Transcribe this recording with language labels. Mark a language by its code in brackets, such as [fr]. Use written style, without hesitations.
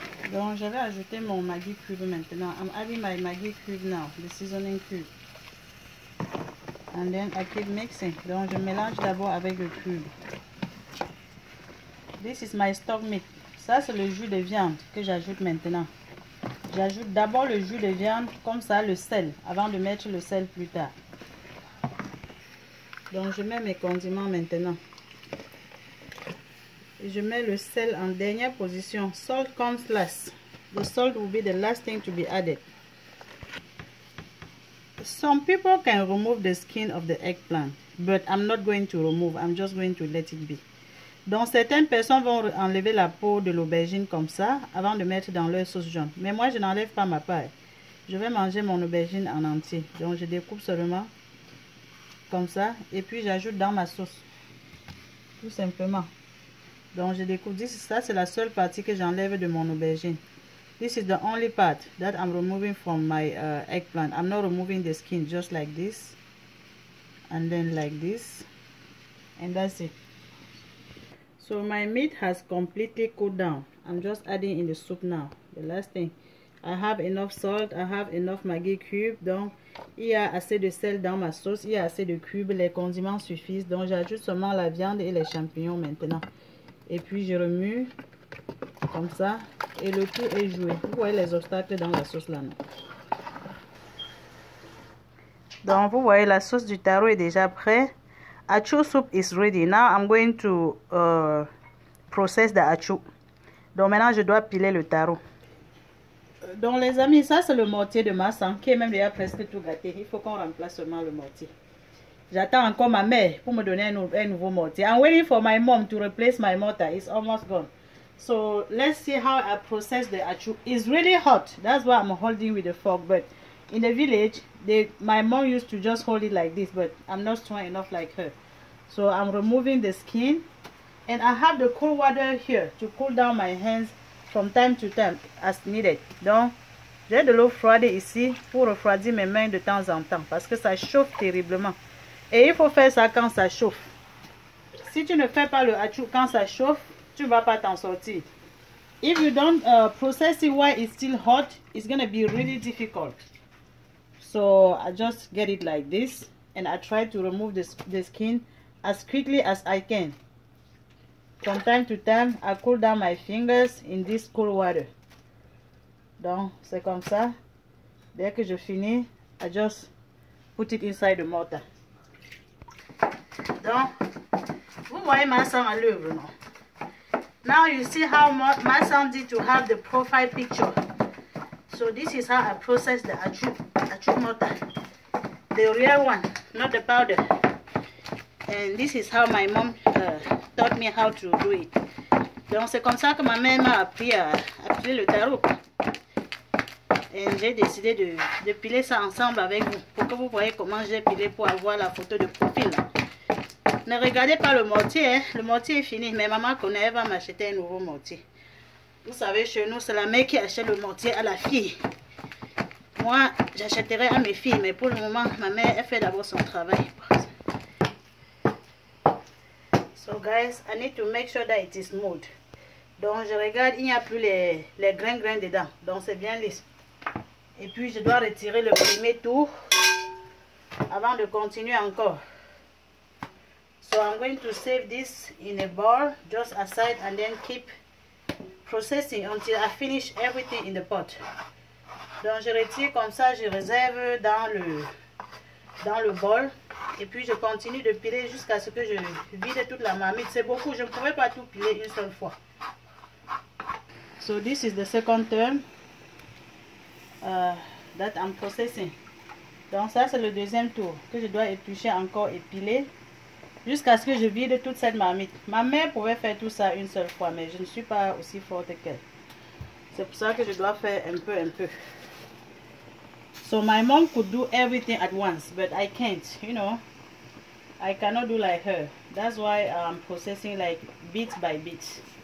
[fr] Donc, je vais ajouter mon Maggi cube maintenant. [en] I'm adding my Maggi cube now, the seasoning cube. And then I keep mixing. [fr] Donc, je mélange d'abord avec le cube. [en] This is my stock meat. [fr] Ça, c'est le jus de viande que j'ajoute maintenant. J'ajoute d'abord le jus de viande, comme ça, le sel, avant de mettre le sel plus tard. Donc, je mets mes condiments maintenant. Et je mets le sel en dernière position. [en] Salt comes last. The salt will be the last thing to be added. Some people can remove the skin of the eggplant, but I'm not going to remove. I'm just going to let it be. [fr] Donc certaines personnes vont enlever la peau de l'aubergine comme ça avant de mettre dans leur sauce jaune. Mais moi, je n'enlève pas ma paille. Je vais manger mon aubergine en entier. Donc je découpe seulement comme ça et puis j'ajoute dans ma sauce, tout simplement. Donc je découpe, ça c'est la seule partie que j'enlève de mon aubergine. [en] This is the only part that I'm removing from my eggplant. I'm not removing the skin, just like this. And then like this. And that's it. So my meat has completely cooled down. I'm just adding in the soup now. The last thing. I have enough salt, I have enough Maggi cube. [fr] Donc il y a assez de sel dans ma sauce, il y a assez de cubes, les condiments suffisent. Donc j'ajoute seulement la viande et les champignons maintenant. Et puis je remue comme ça et le tout est joué. Vous voyez les obstacles dans la sauce là. Donc vous voyez la sauce du taro est déjà prête. [en] Achu soup is ready. Now I'm going to process the achu. [fr] Donc maintenant je dois piler le taro. Donc les amis, ça c'est le mortier de ma sang qui est même déjà presque tout gâté. Il faut qu'on remplace seulement le mortier. J'attends encore ma mère pour me donner un nouveau mortier. [en] I'm waiting for my mom to replace my mortar. It's almost gone. So let's see how I process the achu. It's really hot. That's why I'm holding with the fork. But in the village, my mom used to just hold it like this. But I'm not strong enough like her. So I'm removing the skin. And I have the cool water here to cool down my hands from time to time as needed. [fr] Donc, j'ai de l'eau froide ici pour refroidir mes mains de temps en temps. Parce que ça chauffe terriblement. Et il faut faire ça quand ça chauffe. Si tu ne fais pas le achu quand ça chauffe, tu ne vas pas t'en sortir. [en] If you don't process it while it's still hot, it's going to be really difficult. So I just get it like this. And I try to remove the skin as quickly as I can. From time to time, I cool down my fingers in this cool water. [fr] Donc, c'est comme ça. Dès que je finis, [en] I just put it inside the mortar. [fr] Donc, vous voyez ma sang à l'œuvre, non? [en] Now you see how ma sang did to have the profile picture. So this is how I process the achu mortar, the real one, not the powder. And this is how my mom taught me how to do it. Donc c'est comme ça que ma mère m'a appris le tarot. Et j'ai décidé de piler ça ensemble avec vous pour que vous voyez comment j'ai pilé pour avoir la photo de profil. Ne regardez pas le mortier, hein? Le mortier est fini, mais maman connaît, elle va m'acheter un nouveau mortier. Vous savez, chez nous, c'est la mère qui achète le mortier à la fille. Moi, j'achèterai à mes filles, mais pour le moment, ma mère, elle fait d'abord son travail. So guys, I need to make sure that it is smooth. [fr] Donc je regarde, il n'y a plus les grains dedans, donc c'est bien lisse. Et puis je dois retirer le premier tour avant de continuer encore. [en] So I'm going to save this in a bowl, just aside, and then keep processing until I finish everything in the pot. [fr] Donc je retire comme ça, je réserve dans le bowl. Et puis je continue de piler jusqu'à ce que je vide toute la marmite. C'est beaucoup, je ne pouvais pas tout piler une seule fois. [en] So this is the second turn that I'm processing. [fr] Donc ça c'est le deuxième tour que je dois éplucher encore et piler jusqu'à ce que je vide toute cette marmite. Ma mère pouvait faire tout ça une seule fois, mais je ne suis pas aussi forte qu'elle. C'est pour ça que je dois faire un peu. [en] So my mom could do everything at once, but I can't, you know. I cannot do like her. That's why I'm processing like bit by bit.